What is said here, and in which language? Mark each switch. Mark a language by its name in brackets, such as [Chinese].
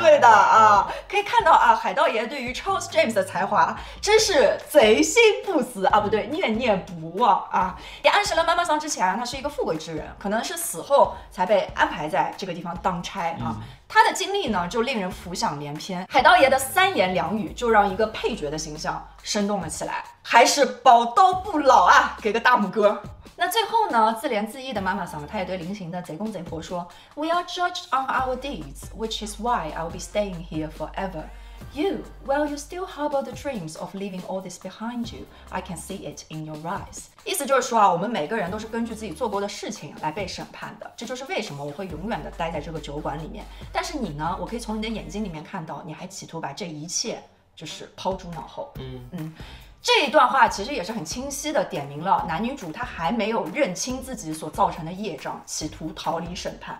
[Chinese] 对的啊，可以看到啊，海盗爷对于 Charles James 的才华真是贼心不死啊，不对，念念不忘啊，也暗示了妈妈桑之前他是一个富贵之人，可能是死后才被安排在这个地方当差啊。他的经历呢，就令人浮想联翩。海盗爷的三言两语，就让一个配角的形象生动了起来。还是宝刀不老啊，给个大拇哥。那最后呢，自怜自艾的妈妈桑，她也对临行的贼公贼婆说 ： “We are judged on our deeds, which is why I'll be staying here forever.” [English] You, well, you still harbor the dreams of leaving all this behind you. I can see it in your eyes. [Chinese] 意思就是说啊，我们每个人都是根据自己做过的事情来被审判的。这就是为什么我会永远的待在这个酒馆里面。但是你呢？我可以从你的眼睛里面看到，你还企图把这一切就是抛诸脑后。这一段话其实也是很清晰的点明了男女主他还没有认清自己所造成的业障，企图逃离审判。